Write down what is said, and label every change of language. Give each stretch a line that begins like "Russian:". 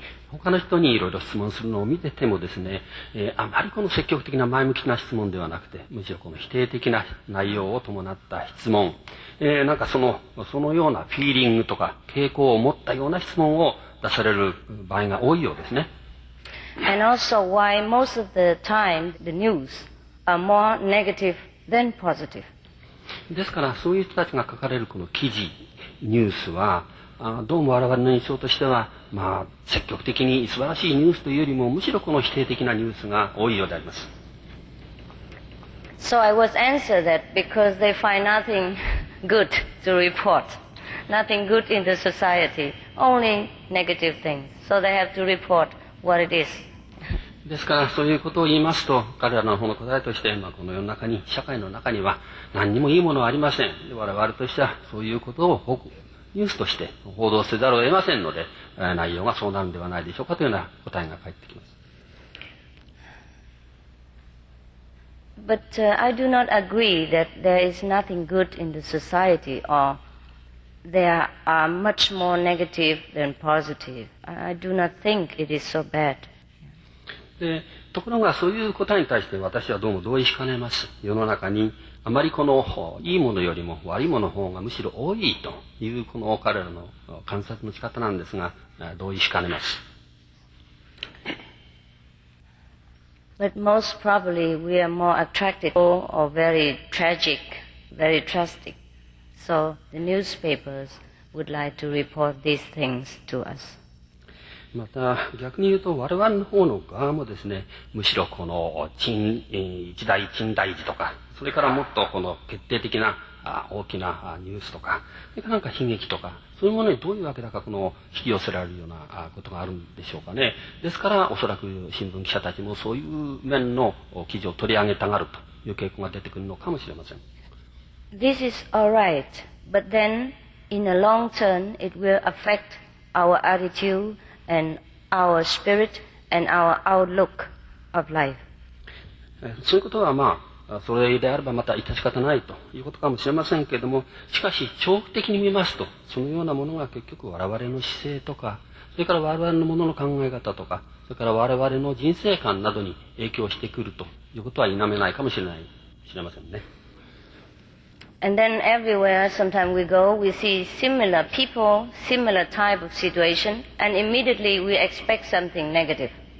Japanese: 他の人にいろいろ質問するのを見ててもですね、あまりこの積極的な前向きな質問ではなくて、むしろこの否定的な内容を伴った質問、なんかそのようなフィーリングとか傾向を持ったような質問を出される場合が多いようですね。
English: And also why most of the time the news are more negative than positive.
Japanese: ですからそういう人たちが書かれるこの記事、ニュースは、どうも我々の印象としては、まあ、積極的に素晴らしいニュースというよりもむしろこの否定的なニュースが多いようであります。
English: So I was answered that because they find nothing good to report, nothing good in the society, only negative things, so they have to report what it is.
Japanese: ですからそういうことを言いますと、彼らの方の答えとして、まあ、この世の中に、社会の中には何にもいいものはありません、我々としてはそういうことを報告ニュースとして報道せざるを得ませんので、内容がそうなるのではないでしょうかというような答えが返ってきます。
English: But, I do not agree that there is nothing good in the society or there are much more negative than positive. I do not think it is so bad.
Japanese: で、ところがそういう答えに対して私はどうも同意しかねます。世の中にあまりこのいいものよりも悪いものの方がむしろ多いというこの彼らの観察の仕方なんですが、同意しかねます。
English: But most probably we are more attracted to or very tragic, very drastic. So the newspapers would like to report these things to us.
Japanese: また逆に言うと我々の方の側もですね、むしろこの一大事とかそれからもっとこの決定的な大きなニュースとか、それからなんか悲劇とか、そういうものにどういうわけだかこの引き寄せられるようなことがあるんでしょうかね。ですからおそらく新聞記者たちもそういう面の記事を取り上げたがるという傾向が出てくるのかもしれません。
English: This is all right, but then in the long term it will affect our attitude and our spirit and our outlook of life.
Japanese: そういうことはまあそれであればまた致し方ないということかもしれませんけれども、しかし長期的に見ますと、そのようなものが結局我々の姿勢とか、それから我々のものの考え方とか、それから我々の人生観などに影響してくるということは否めないかもしれない、知れませんね。
English: And then everywhere, sometimes we go, we see similar people, similar type of situation, and immediately we expect something negative.